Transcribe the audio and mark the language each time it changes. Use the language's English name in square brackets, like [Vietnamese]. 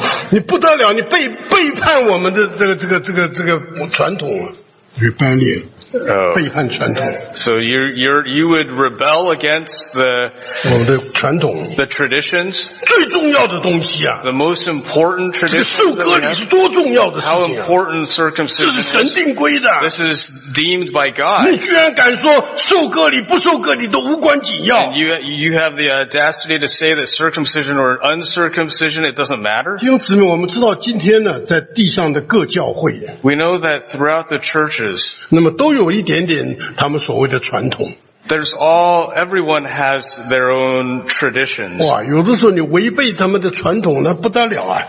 [Chinese] 你不得了，你背叛我们的这个传统啊！ [English] Rebellion. Oh. [Chinese] 背叛传统。 [English] So you would rebel against the, [Chinese] 我们的传统。 [English] The traditions. [Chinese] 最重要的东西啊。 [English] The most important traditions. [Chinese] 这个受割礼是多重要的事情啊。 [English] How important circumcision is. [Chinese] 这是神定规的。 [English] This is deemed by God. [Chinese] 你居然敢说受割礼不受割礼都无关紧要。 [English] And you have the audacity to say that circumcision or uncircumcision, it doesn't matter. [Chinese] 弟兄姊妹，我们知道今天呢，在地上的各教会。 [English] We know that throughout the churches. [Chinese] 那么都有一点点他们所谓的传统。 [English] Everyone has their own traditions. [Chinese] 哇，有的时候你违背他们的传统，那不得了啊。